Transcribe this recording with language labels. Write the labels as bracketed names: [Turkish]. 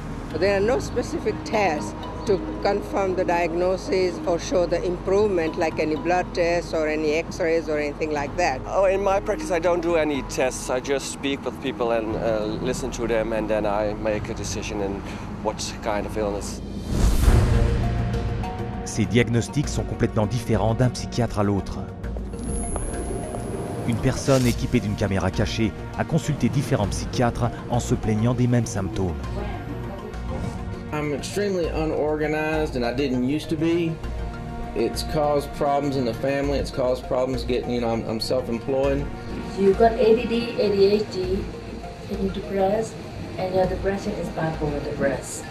[English] There are no specific tests to confirm the diagnosis or show the improvement, like any blood tests or any x-rays or anything like that. Oh, in my practice, I don't do any tests. I just speak with people and listen to them, and then I make a decision in what kind of illness. [French] Ces diagnostics sont complètement différents d'un psychiatre à l'autre. Une personne équipée d'une caméra cachée a consulté différents psychiatres en se plaignant des mêmes symptômes. [English] I'm extremely unorganized and I didn't used to be. It's caused problems in the family, it's caused problems getting, I'm self-employed. You've got ADD, ADHD, and you're depressed, and your depression is bipolar depressed.